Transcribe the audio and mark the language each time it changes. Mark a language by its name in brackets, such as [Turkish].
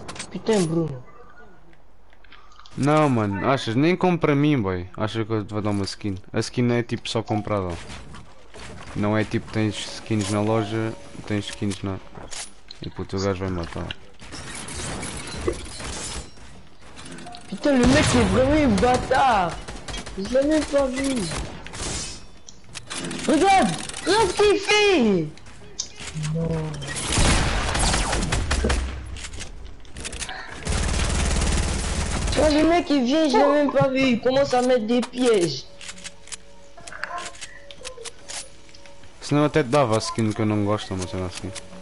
[Portuguese] Que tem, Bruno? Não, mano, achas? Nem compra mim, boy. Achas que eu te vou dar uma skin? A skin é tipo só comprada. Não é tipo, tens skins na loja, tens skins na... E puto, o gajo vai matar. [French] Putain, le mec est vraiment un bâtard. Je l'ai même pas vu. Regarde, regarde ce qu'il fait. Non. Tu vois, le mec il vient, je l'ai même pas vu. Il commence à mettre des pièges. [Portuguese] Senão até dava a skin que eu não gosto, mas era assim.